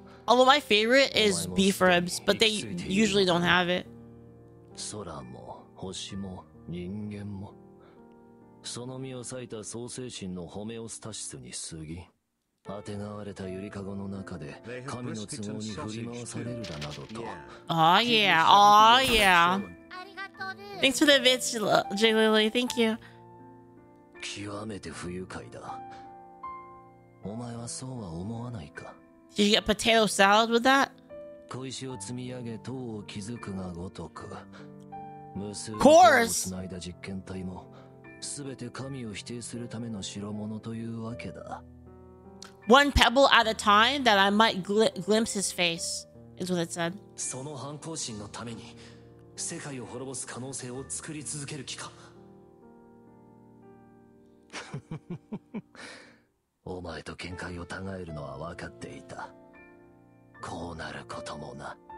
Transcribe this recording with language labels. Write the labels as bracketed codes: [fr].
[en] Although my favorite is beef ribs, but they usually don't have it. [ja] 空も星も人間もその身を裂いた創生神のホメオスタシスに過ぎ、あてがわれたゆりかごの中で神の都合に振り回されるだなどと。 [en] Oh yeah, oh yeah. Thanks for the bits, J. Lily. Thank you. [ja] 極めて不愉快だ。お前はそうは思わないか。 [en] Did you get potato salad with that? [ja] 小石を積み上げ塔を築くがごとく。無数の塔を繋いだ実験体も、すべて神を否定するための代物というわけだ。 [en] One pebble at a time that I might glimpse his face is what it said. [ja] その反抗心のために世界を滅ぼす可能性を作り続ける気か。お前と見解を違えるのは分かっていた。こうなることもな。